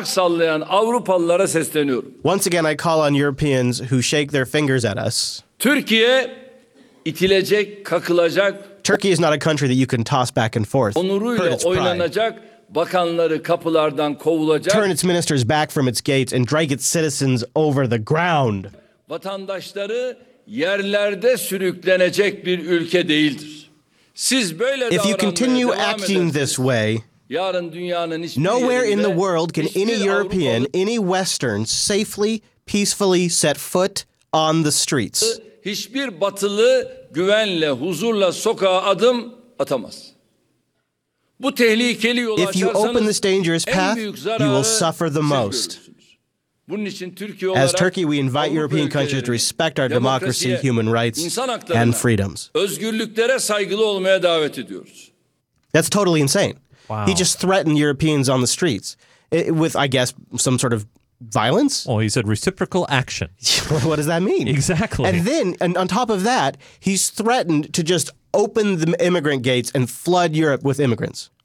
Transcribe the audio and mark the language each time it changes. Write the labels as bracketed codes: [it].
[en] Once again, I call on Europeans who shake their fingers at us. [tr] Türkiye itilecek, kakılacak. [en] Turkey is not a country that you can toss back and forth. [tr] Onuruyla oynanacak, bakanları kapılardan kovulacak. [en] Turn its ministers back from its gates and drag its citizens over the ground. [tr] Vatandaşları yerlerde sürüklenecek bir ülke değildir. Siz böyle [en] if you continue acting this way, nowhere in the world can any European, any Western, safely, peacefully set foot on the streets. [tr] Hiçbir Batılı güvenle, huzurla sokağa adım atamaz. Bu tehlikeli yolu [en] if you open this dangerous path, you will suffer the most. As Turkey, we invite European countries to respect our democracy, human rights, and freedoms. [tr] Özgürlüklere saygılı olmaya davet ediyoruz. [en] That's totally insane. Wow. He just threatened Europeans on the streets with, I guess, some sort of violence? Well, he said reciprocal action. What does that mean? Exactly. And then, and on top of that, he's threatened to just open the immigrant gates and flood Europe with immigrants.